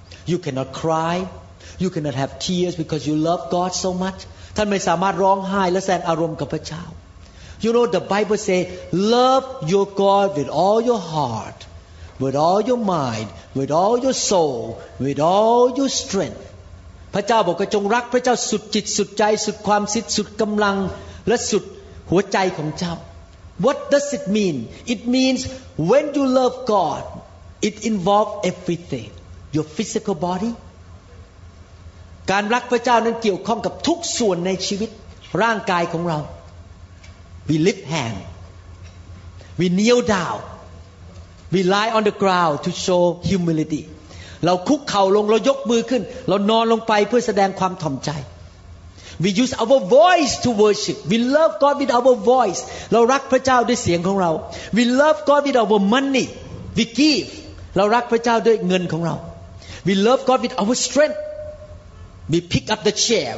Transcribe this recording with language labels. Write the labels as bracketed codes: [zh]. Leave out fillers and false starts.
[en] You cannot cry You cannot have tears because you love God so much [th] ท่านไม่สามารถร้องไห้และแสดงอารมณ์กับพระเจ้า [en] You know the Bible say Love your God with all your heart With all your mind With all your soul With all your strength [th] พระเจ้าบอกจงรักพระเจ้าสุดจิตสุดใจสุดความสิทธิ์สุดกำลังและสุดหัวใจของเจ้า [en] What does it mean? It means when you love God, it involves everything. Your physical body, [th] การรักพระเจ้านั้นเกี่ยวข้องกับทุกส่วนในชีวิตร่างกายของเรา [en] We lift hand We kneel down We lie on the ground to show humility [th] เราคุกเข่าลงเรายกมือขึ้นเรานอนลงไปเพื่อแสดงความถ่อมใจ [en] We use our voice to worship We love God with our voice [th] เรารักพระเจ้าด้วยเสียงของเรา [en] We love God with our money We give [th] เรารักพระเจ้าด้วยเงินของเรา [en] We love God with our strengthWe pick up the chair.